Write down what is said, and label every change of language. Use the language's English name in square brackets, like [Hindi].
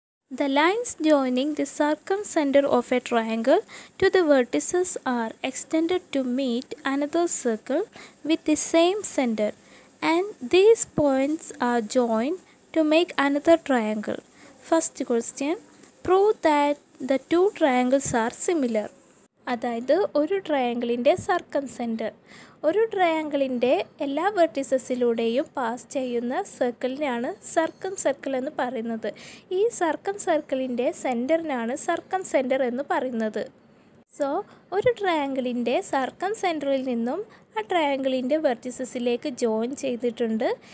[English] The lines joining the circumcentre of a triangle to the vertices are extended to meet another circle with the same centre and these points are joined to make another triangle. First question, prove that the two triangles are similar. [Malayalam] അതായത് ഒരു ട്രയാങ്കിളിൻ്റെ സർക്കംസെൻറ്റർ, ഒരു ട്രയാങ്കിളിൻ്റെ എല്ലാ വെർട്ടിസസിലൂടെയും pass ചെയ്യുന്ന സർക്കിളിനാണ് സർക്കം circle എന്ന് പറയുന്നത്. ഈ സർക്കം സർക്കിളിൻ്റെ സെൻറ്ററിനാണ് സർക്കം centre എന്ന് പറയുന്നത്. സോ ഒരു ട്രയാങ്കിളിൻ്റെ സർക്കം സെൻറ്ററിൽ നിന്നും ആ ട്രയാങ്കിളിൻ്റെ വെർട്ടിസസിലേക്ക് ജോയിൻ ചെയ്തിട്ടുണ്ട്.